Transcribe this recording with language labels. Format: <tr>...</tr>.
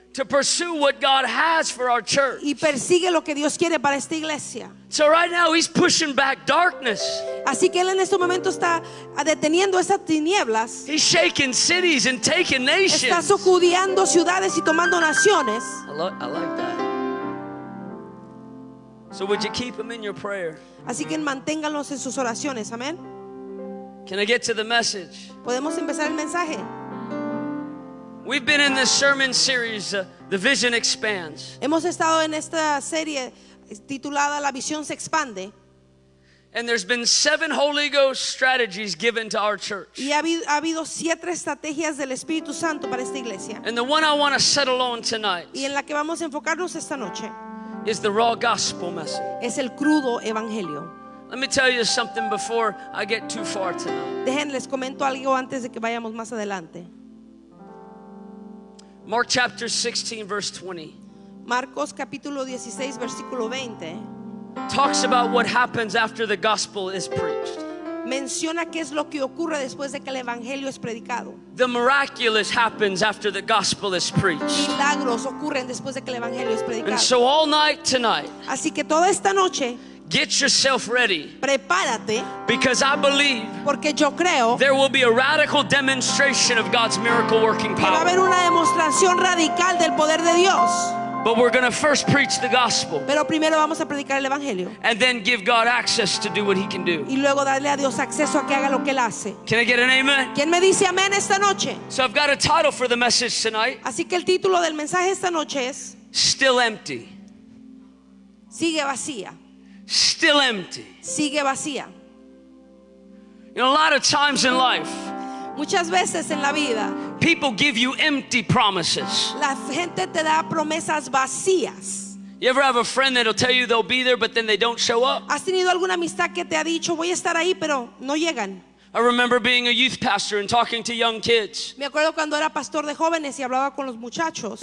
<en>To pursue what God has for our church.</en> <es>Y persigue lo que Dios quiere para esta iglesia.</es> <en>So right now he's pushing back darkness.</en> <es>Así que él en este momento está deteniendo esas tinieblas.</es> <en>He's shaking cities and taking nations.</en> <es>Está sacudiendo ciudades y tomando naciones.</es> <en>I like that. So would you keep him in your prayer?</en> <es>Así que manténganlos en sus oraciones. Amén.</es> <en>Can I get to the message?</en> <es>¿Podemos empezar el mensaje?</es> <en>We've been in this sermon series, The Vision Expands.</en> <es>Hemos estado en esta serie titulada La Visión se Expande.</es> <en>And there's been seven Holy Ghost strategies given to our church.</en> <es>Y ha habido siete estrategias del Espíritu Santo para esta iglesia.</es> <en>And the one I want to settle on tonight.</en> <es>Y en la que vamos a enfocarnos esta noche.</es> <en>Is the raw gospel message.</en> <es>Es el crudo evangelio.</es> <en>Let me tell you something before I get too far tonight.</en> <es>Déjenles comento algo antes de que vayamos más adelante.</es> <en>Mark chapter 16 verse 20.</en> <es>Marcos capítulo 16 versículo 20.</es> <en>Talks about what happens after the gospel is preached.</en> <es>Menciona qué es lo que ocurre después de que el evangelio es predicado.</es> <en>The miraculous happens after the gospel is preached.</en> <es>Milagros ocurren después de que el evangelio es predicado.</es> <en>And so all night tonight.</en> <es>Así que toda esta noche.</es> <en>Get yourself ready.</en> <es>Prepárate.</es> <en>Because I believe.</en> <es>Porque yo creo.</es> <en>There will be a radical demonstration of God's miracle working power.</en> <es>Que va a haber una demostración radical del poder de Dios.</es> <en>But we're going to first preach the gospel.</en> <es>Pero primero vamos a predicar el evangelio.</es> <en>And then give God access to do what he can do.</en> <es>Y luego darle a Dios acceso a que haga lo que él hace.</es> <en>Can I get an amen?</en> <es>¿Quién me dice amén esta noche?</es> <en>So I've got a title for the message tonight.</en> <es>Así que el título del mensaje esta noche es</es> <en>Still Empty.</en> <es>Sigue vacía.</es> <en>Still empty.</en> <es>Sigue vacía.</es> <en>You know, a lot of times in life.</en> <es>Muchas veces en la vida.</es> <en>People give you empty promises.</en> <es>La gente te da promesas vacías.</es> <en>You ever have a friend that'll tell you they'll be there, but then they don't show up?</en> <es>¿Has tenido alguna amistad que te ha dicho voy a estar ahí, pero no llegan?</es> <en>I remember being a youth pastor and talking to young kids.</en> <es>Me acuerdo cuando era pastor de jóvenes y hablaba con los muchachos.</es>